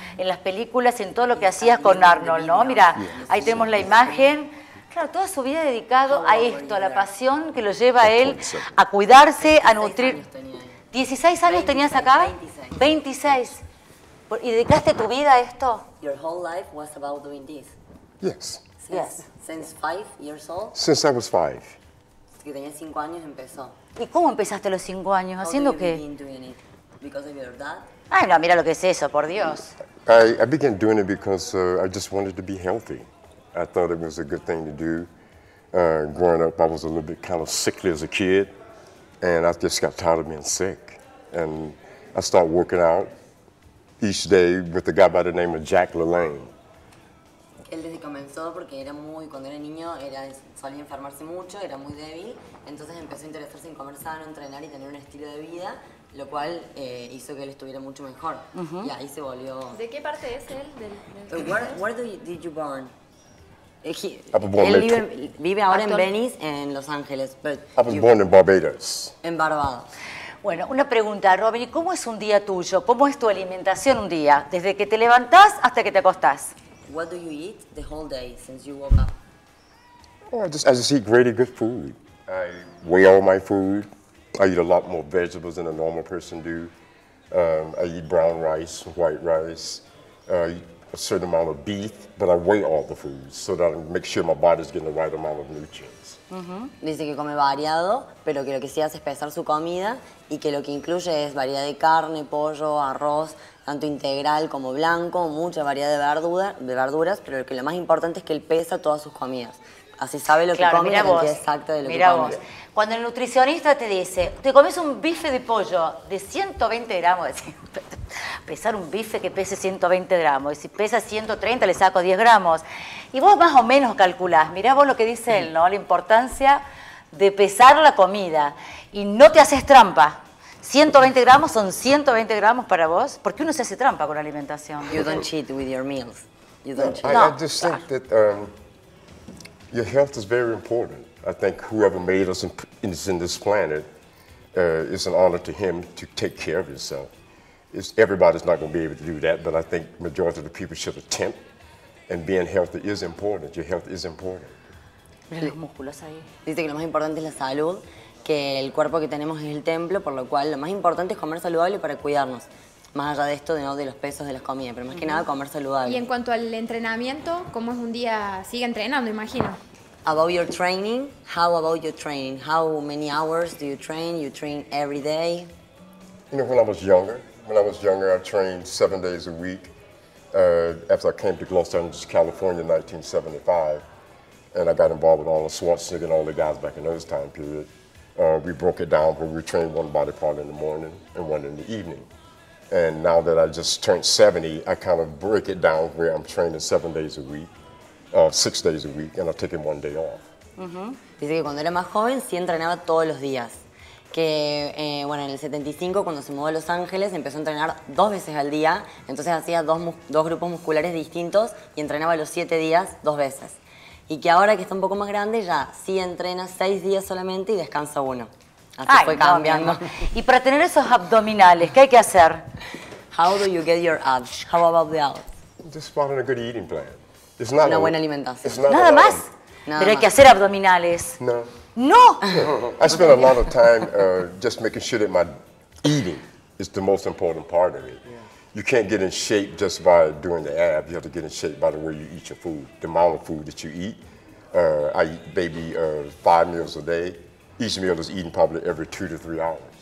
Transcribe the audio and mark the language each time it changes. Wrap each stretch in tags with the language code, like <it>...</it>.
<es>En las películas, en todo lo que hacías con Arnold, ¿no? Mira, ahí tenemos la imagen. Claro, toda su vida dedicado a esto, a la pasión que lo lleva a él, a cuidarse, a nutrir. ¿16 años tenías acá? 26. ¿Y dedicaste tu vida a esto?</es> <en>Your whole life was about doing this. Yes. Yes. Since 5 years old? Since I was 5.</en> <es>Que tenía 5 años empezó. ¿Y cómo empezaste los 5 años? ¿Haciendo qué?</es> <en>Because of your dad?</en> <es>Ay, no, mira lo que es eso, por Dios.</es> <en>I began doing it because I just wanted to be healthy. I thought it was a good thing to do. Growing up, I was a little bit kind of sickly as a kid. And I just got tired of being sick. And I started working out each day with a guy by the name of Jack LaLanne.</en> <es>Él desde que comenzó, porque era muy, cuando era niño, solía enfermarse mucho, era muy débil. Entonces empezó a interesarse en comer sano, entrenar y tener un estilo de vida, lo cual hizo que él estuviera mucho mejor. Y ahí se volvió. ¿De qué parte es él? ¿Dónde naciste? Él vive ahora en Venice, en Los Ángeles.</es> <en>Born in Barbados.</en> <es>En Barbados. Bueno, una pregunta, Robin, ¿cómo es un día tuyo? ¿Cómo es tu alimentación un día? Desde que te levantás hasta que te acostás.</es> <en>What do you eat the whole day since you woke up? Oh, I just eat really good food. I weigh all my food. I eat a lot more vegetables than a normal person do. I eat brown rice, white rice, a certain amount of beef, but I weigh all the foods so that I make sure my body's getting the right amount of nutrients.</en> <es>Dice que come variado, pero que lo que sí hace es pesar su comida y que lo que incluye es variedad de carne, pollo, arroz, tanto integral como blanco, mucha variedad de verduras, pero que lo más importante es que él pesa todas sus comidas. Así sabe lo claro, que come mira y vos, la cantidad exacta de lo mira que come. Vos. Cuando el nutricionista te dice, te comes un bife de pollo de 120 gramos, pesar un bife que pese 120 gramos, y si pesa 130 le saco 10 gramos, y vos más o menos calculás, mirá vos lo que dice él, ¿no? La importancia de pesar la comida, y no te haces trampa. 120 gramos son 120 gramos para vos, porque uno se hace trampa con la alimentación.</es> <en>You don't cheat with your meals. You don't cheat. No, I just think that your health is very important. I think whoever made us in this planet, it's an honor to him to take care of himself. It's, everybody's not going to be able to do that, but I think majority of the people should attempt, and being healthy is important. Your health is important.</en> <es>Mira los músculos ahí. Dice que lo más importante es la salud, que el cuerpo que tenemos es el templo, por lo cual lo más importante es comer saludable para cuidarnos. Más allá de esto, de los pesos de las comidas, pero más que nada comer saludable. Y en cuanto al entrenamiento, ¿cómo es un día? ¿Sigue entrenando, imagino?</es> <en>About your training, how about your training? How many hours do you train? You train every day? You know, when I was younger, I trained 7 days a week after I came to Los Angeles, California in 1975. And I got involved with Arnold Schwarzenegger and all the guys back in those time period. We broke it down where we trained one body part in the morning and one in the evening. And now that I just turned 70, I kind of break it down where I'm training 7 days a week, 6 days a week, and I'm taking one day off.</en> <es>Dice que cuando era más joven, sí entrenaba todos los días. Que, bueno, en el 75, cuando se mudó a Los Ángeles, empezó a entrenar dos veces al día. Entonces hacía dos grupos musculares distintos y entrenaba los 7 días dos veces. Y que ahora que está un poco más grande, ya sí entrena 6 días solamente y descansa uno. Así fue cambiando. Y para tener esos abdominales, ¿qué hay que hacer?</es> <en>How do you get your abs? How about the abs? Just following a good eating plan. It's not</en> <es>una buena alimentación.</es> <en>It's not</en> <es>nada más. Nada pero más. Hay que hacer abdominales. No. No.</es> <en>I spend a lot of time just making sure that my eating is the most important part of it. You can't get in shape just by doing the ab. You have to get in shape by the way you eat your food, the amount of food that you eat. I eat maybe 5 meals a day. Each meal is eaten probably every 2 to 3 hours.</en>